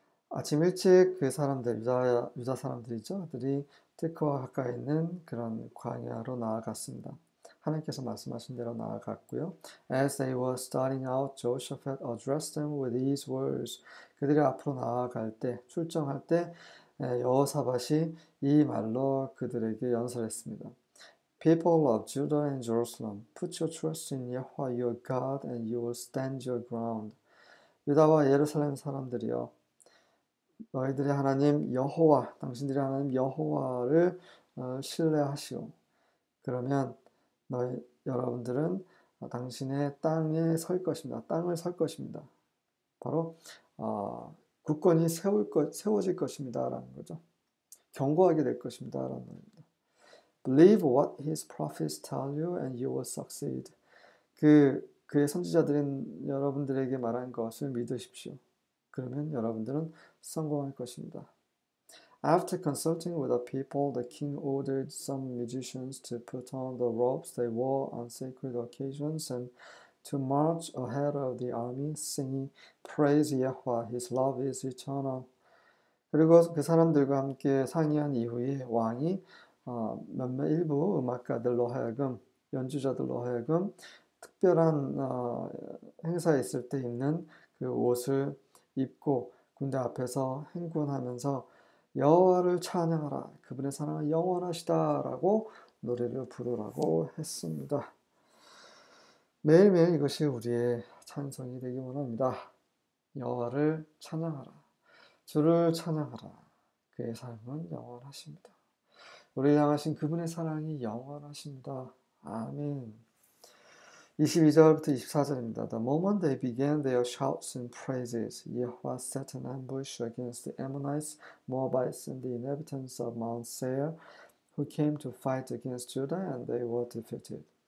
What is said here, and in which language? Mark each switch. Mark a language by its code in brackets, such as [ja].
[ko] 아침 일찍 그 사람들, 유다 사람들이죠. 그들이 테코아 가까이 있는 그런 광야로 나아갔습니다. 하나님께서 말씀하신 대로 나아갔고요. [en] As they were starting out, Jehoshaphat addressed them with these words. [ko] 그들이 앞으로 나아갈 때, 출정할 때, 여호사밧이 이 말로 그들에게 연설했습니다. [en] People of Judah and Jerusalem, put your trust in Yahweh your God, and you will stand your ground. [ko] 유다와 예루살렘 사람들이여, 너희들의 하나님 여호와, 당신들의 하나님 여호와를 신뢰하시오. 그러면 여러분들은 당신의 땅에 설 것입니다. 땅을 설 것입니다. 바로 굳건히 세워질 것입니다. 라는 거죠. 견고하게 될 것입니다. 라는 겁니다. [en] Believe what his prophets tell you and you will succeed. [ko] 그의 선지자들은 여러분들에게 말한 것을 믿으십시오. 그러면 여러분들은 성공할 것입니다. [en] After consulting with the people, the king ordered some musicians to put on the robes they wore on sacred occasions and to march ahead of the army, singing, Praise Yahweh, His love is eternal. [ko] 그리고 그 사람들과 함께 상의한 이후에 왕이 몇몇 일부 음악가들로 하여금, 연주자들로 하여금 특별한 행사에 있을 때 입는 그 옷을 입고 군대 앞에서 행군하면서 여호와를 찬양하라, 그분의 사랑은 영원하시다라고 노래를 부르라고 했습니다. 매일매일 이것이 우리의 찬송이 되기 원합니다. 여호와를 찬양하라, 주를 찬양하라, 그의 사랑은 영원하십니다. 우리를 향하신 그분의 사랑이 영원하십니다. 아멘. 22절부터 24절입니다. [en] The moment they began their shouts and praises, Yahweh set an ambush against the Ammonites, Moabites, and the inhabitants of Mount Seir, who came to fight against Judah, and they were defeated.